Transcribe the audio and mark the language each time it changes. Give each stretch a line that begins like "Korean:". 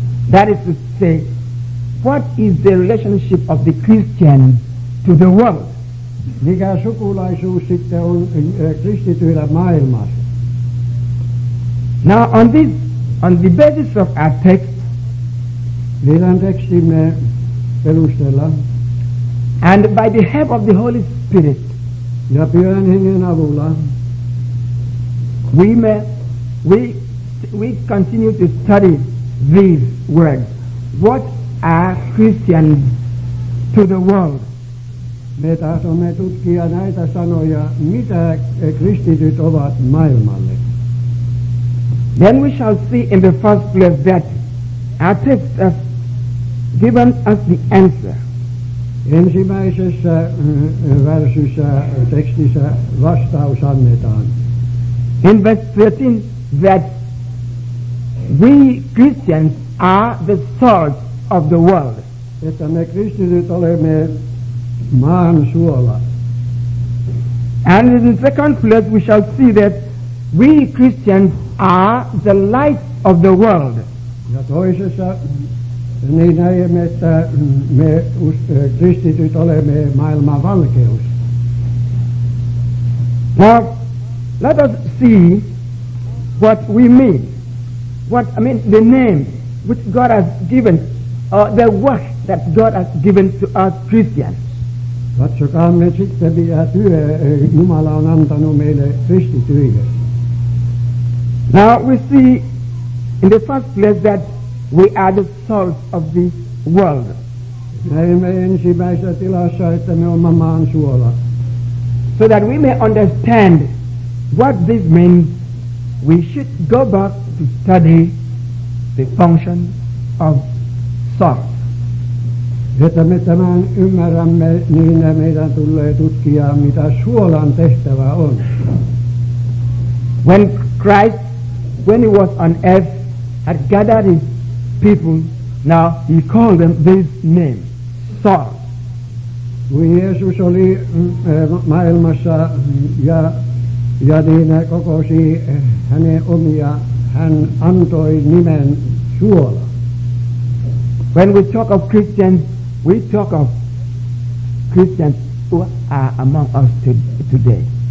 English: That is to say, what is the relationship of the Christian to the world?
Finnish: Mikä sukulaisuus sitten on kristityillä maailmassa?
English: Now on this, on the basis of our text,
Finnish: meidän tekstimme perusteella,
English: and by the help of the Holy Spirit,
Finnish: ja Pyhän Hengen avulla,
English: we continue to study these words. What are Christians to the world?
Finnish: Me tahtomme tutkia näitä sanoja, mitä kristityt ovat maailmalle.
English: Then we shall see in the first place that our text has given us the answer.
Finnish: Ensimmäisessä versissä tekstissä vastaus annetaan.
English: In verse 13, that we Christians are the salt of the world.
Finnish: Että me kristityt olemme maan suola.
English: And in the second place we shall see that we Christians are the light of the world.
Finnish: Ja toisessa niin näemme, että me kristityt olemme maailman valkeus.
English: Now, let us see what we mean. What I mean, the name which God has given, or the work that God has given to us Christians.
Finnish: Katsokaamme sitten, mitä työ Jumala on antanut meille kristityille.
English: Now we see in the first place that we are the salt of the world.
Finnish: Näemme ensimmäisessä tilassa, että me olemme maan suola.
English: So that we may understand what this means, we should go back to study the function of sort.
Finnish: Että me tämän ymmärrämme, niin meidän tulee tutkia, mitä suolan tehtävä on.
English: When Christ, when he was on earth, had gathered his people, now he called them this name, salt.
Finnish: Kun Jeesus oli maailmassa ja niin kokosi hänen omia, hän antoi nimen suola.
English: When we talk of Christians, we talk of Christians who are among us today.